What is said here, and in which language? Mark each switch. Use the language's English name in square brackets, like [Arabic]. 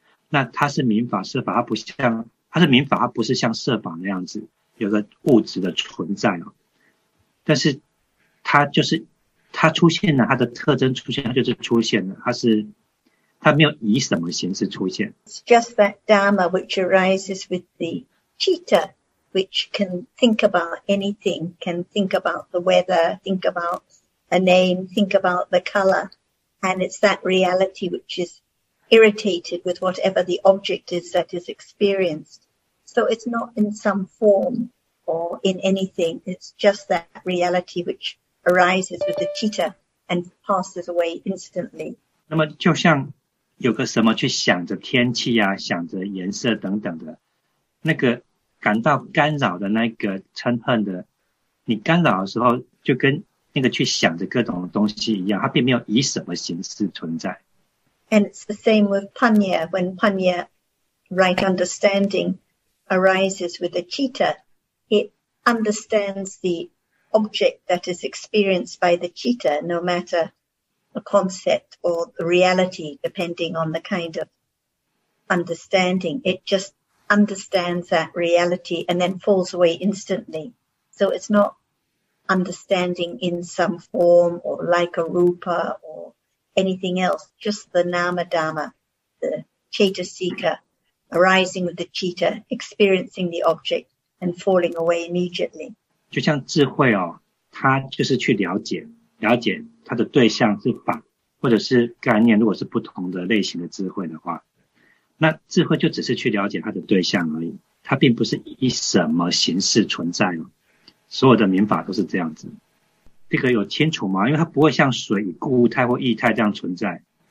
[Chinese] 那它是明法是法，它不像。它是明法，它不是像色法那样子有个物质的存在哦。但是它就是它出现了，它的特征出现，它就是出现了，它没有以什么形式出现。 [English] It's just that dharma which arises with the citta, which can think about anything, can think about the weather, think about a name, think about the color, and it's that reality which is. Irritated with whatever the object is that is experienced. So it's not in some form or in anything. It's just that reality which arises with the citta and passes away instantly. [Chinese] 那么就像有个什么去想着天气啊，想着颜色等等的，那个感到干扰的那个嗔恨的，你干扰的时候就跟那个去想着各种东西一样，它并没有以什么形式存在。 [English] And it's the same with panya. When panya, right understanding, arises with the citta, it understands the object that is experienced by the citta, no matter the concept or the reality, depending on the kind of understanding. It just understands that reality and then falls away instantly. So it's not understanding in some form or like a rupa oranything else, just the nama dhamma, the chetasika, arising with the citta, experiencing the object, and falling away immediately. [Chinese] 就像智慧哦，它就是去了解，了解它的对象是法，或者是概念，如果是不同的类型的智慧的话，那智慧就只是去了解它的对象而已，它并不是以什么形式存在哦。所有的明法都是这样子。这个有清楚吗？因为它不会像水以固态或液态这样存在。